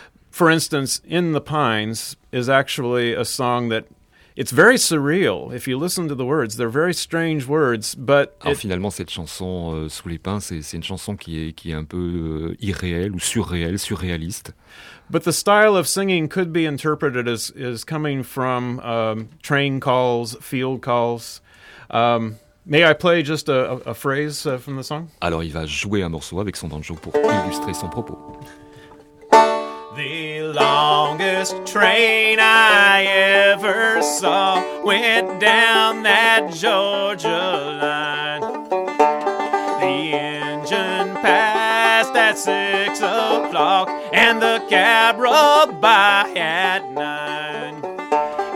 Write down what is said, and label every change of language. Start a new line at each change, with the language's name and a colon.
English: For instance, In the Pines is actually a song that it's very surreal. If you listen to the words, they're very strange words, but
French: alors finalement cette chanson Sous les pins, c'est une chanson qui est un peu irréelle ou surréelle, surréaliste.
English: But the style of singing could be interpreted as coming from train calls, field calls. May I play just a phrase from the song?
French: Alors il va jouer un morceau avec son banjo pour illustrer son propos.
English: The longest train I ever saw went down that Georgia line. The engine passed at 6 o'clock and the cab rolled by at 9.